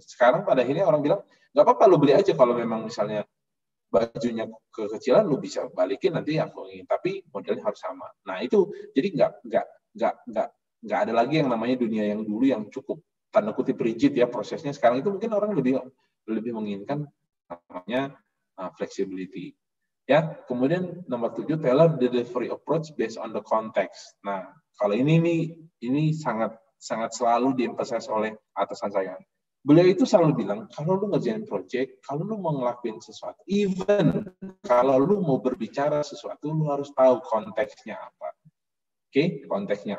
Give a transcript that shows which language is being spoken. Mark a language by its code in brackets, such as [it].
[id] Sekarang pada akhirnya orang bilang, nggak apa-apa lu beli aja, kalau memang misalnya bajunya kekecilan lu bisa balikin nanti aku ingin. Tapi modelnya harus sama. Nah itu, jadi nggak nggak ada lagi yang namanya dunia yang dulu yang cukup tanda kutip rigid ya prosesnya. Sekarang itu mungkin orang lebih lebih menginginkan namanya flexibility. [en] Ya, kemudian nomor 7, tailor the delivery approach based on the context. [id] Nah, kalau ini sangat sangat selalu diemphasize oleh atasan saya. Beliau itu selalu bilang, kalau lu ngerjain project, kalau lu mau ngelakuin sesuatu, even kalau lu mau berbicara sesuatu, lu harus tahu konteksnya apa. Oke, konteksnya.